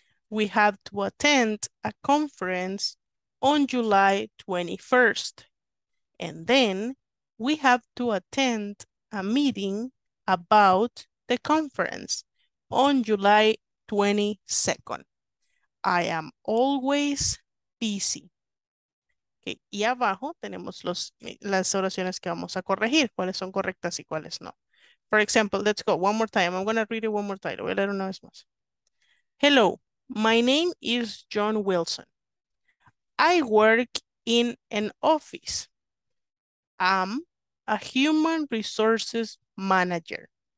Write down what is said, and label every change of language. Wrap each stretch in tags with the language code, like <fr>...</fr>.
<en>We have to attend a conference on July 21st. And then we have to attend a meeting about the conference on July 22nd. I am always busy. Okay.</en> <es>Y abajo tenemos las oraciones que vamos a corregir, cuáles son correctas y cuáles no.</es> <en>For example, let's go one more time. I'm going to read it one more time.</en> <es>Lo voy a leer una vez más.</es> <en>Hello, my name is John Wilson. I work in an office. I'm a human resources manager.</en>